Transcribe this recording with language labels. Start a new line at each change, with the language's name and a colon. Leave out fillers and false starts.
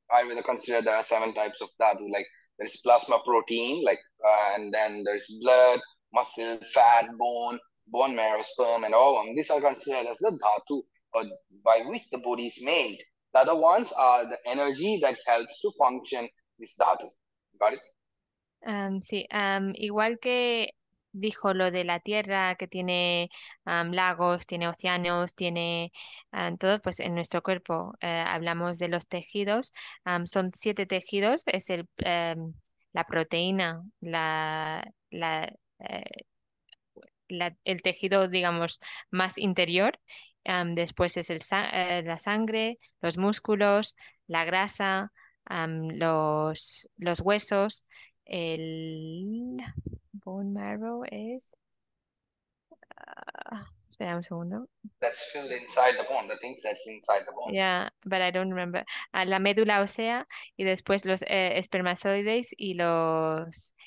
English: Ayurveda consider there are seven types of dhatu. Like there is plasma protein, like and then there is blood, muscle, fat, bone marrow, sperm, and ovum. These are considered as the dhatu by which the body is made. The other ones are the energy that helps to function this dhatu. Got it?
Spanish: Sí, igual que dijo lo de la tierra que tiene lagos, tiene océanos, tiene todo, pues en nuestro cuerpo hablamos de los tejidos. Son siete tejidos, es la proteína, el tejido, digamos, más interior. Después es la sangre, los músculos, la grasa, los huesos. El
English: bone marrow
Spanish: es. Espera un segundo.
English: That's filled inside the bone, the things that's inside the bone. Yeah, but I don't remember.
Spanish: La médula ósea y después los espermatozoides y los.